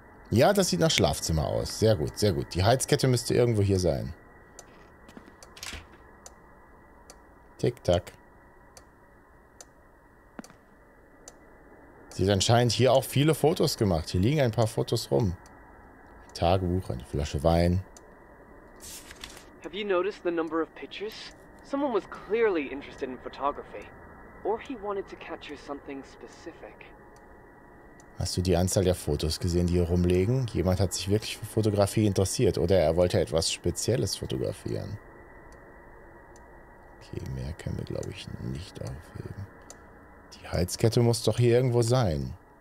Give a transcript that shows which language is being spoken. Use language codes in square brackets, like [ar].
[de] Ja, das sieht nach Schlafzimmer aus. Sehr gut, sehr gut. Die Heizkette müsste irgendwo hier sein. Tick-Tack. Sie hat anscheinend hier auch viele Fotos gemacht. Hier liegen ein paar Fotos rum. Ein Tagebuch, eine Flasche Wein. [en] Have you noticed the number of pictures? Someone was clearly interested in photography. Or he wanted to capture something specific. [de] Hast du die Anzahl der Fotos gesehen, die hier rumliegen? Jemand hat sich wirklich für Fotografie interessiert oder er wollte etwas Spezielles fotografieren. Okay, mehr können wir, glaube ich, nicht aufheben. Die Halskette muss doch hier irgendwo sein.